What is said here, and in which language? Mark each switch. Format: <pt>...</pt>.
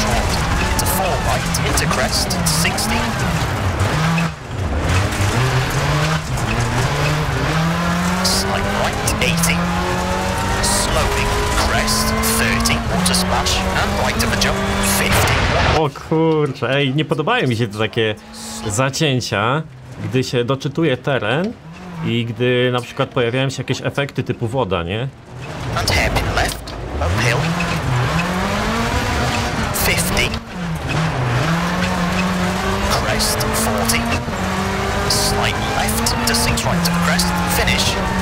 <en>Late, one left, 70, one left short, a late heavy right, 50, five left to crest, into six right, long, opens, and tightens, slowing, 50, one left short, into four right, into crest, 60. Right 80, slowing crest 30, water splash and right of a jump 50.</en> <pl>O kurczę, ej, nie podobają mi się te takie zacięcia, gdy się doczytuje teren i gdy na przykład pojawiają się jakieś efekty typu woda, nie?</pl> <en>And hairpin left, uphill 50, crest 40, slight left, to six right of crest, finish.</en>